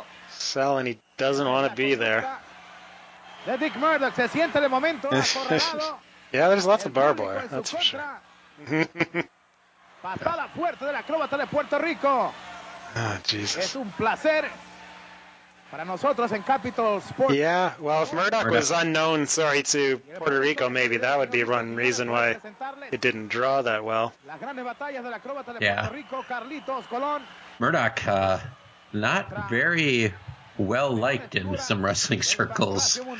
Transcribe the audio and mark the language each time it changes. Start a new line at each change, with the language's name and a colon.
English: Sell, and he doesn't want to be there.
Spanish: Dick Murdoch se siente de momento acorralado.
English: Yeah, there's lots of barbed wire, that's for sure.
Spanish: Pasada fuerte de la acróbata de Puerto Rico.
English: Ah, Jesus.
Spanish: Es un placer para nosotros en Capitol Sports.
English: Yeah, well, if Murdoch was unknown, sorry, to Puerto Rico, maybe that would be one reason why it didn't draw that well.
Spanish: Las grandes batallas de la acróbata de Puerto Rico, Carlitos Colón.
English: Murdoch, not very well liked in some wrestling circles.